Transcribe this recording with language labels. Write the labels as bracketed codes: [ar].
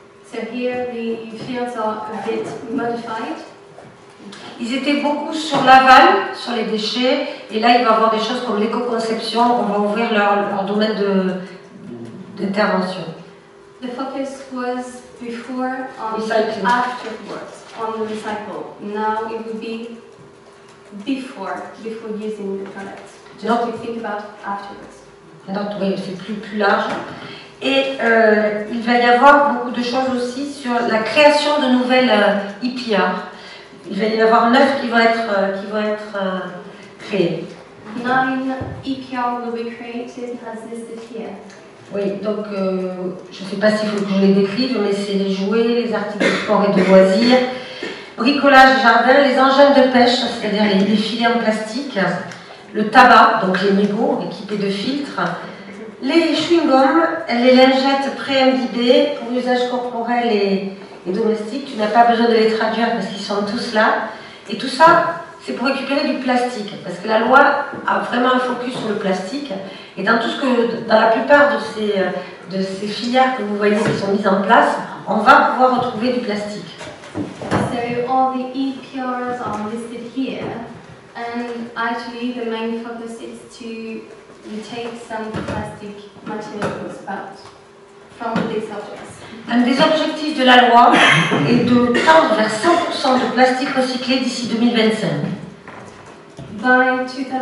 [en] So here the fields are a bit modified. [fr] Ils étaient beaucoup sur l'aval, sur les déchets, et là il va y avoir des choses comme l'éco-conception, on va ouvrir leur domaine d'intervention. [en] The focus was before on recycling. Afterwards, on the recycle. Now it would be before using the product. Just [fr] donc, [en] to think about afterwards. [fr] Donc oui, c'est plus large. Et il va y avoir beaucoup de choses aussi sur la création de nouvelles EPR. Il va y avoir 9 qui vont être créées. [en] 9 EPR will be created as listed here. [fr] Oui, donc je ne sais pas s'il faut que je les décrive, mais c'est les jouets, les articles de sport et de loisirs, bricolage, jardin, les engins de pêche, c'est-à-dire les filets en plastique, le tabac, donc les mégots équipés de filtres, les chewing-gums, les lingettes pré-imbibées pour usage corporel et domestique. Tu n'as pas besoin de les traduire parce qu'ils sont tous là. Et tout ça, c'est pour récupérer du plastique, parce que la loi a vraiment un focus sur le plastique. Et dans tout ce que, dans la plupart de ces filières que vous voyez qui sont mises en place, on va pouvoir retrouver du plastique. [en] So all the EPRs are listed here, and actually the main focus is to retake some plastic materials out from these objects. [fr] Un des objectifs de la loi est de tendre vers 100% de plastique recyclé d'ici 2025.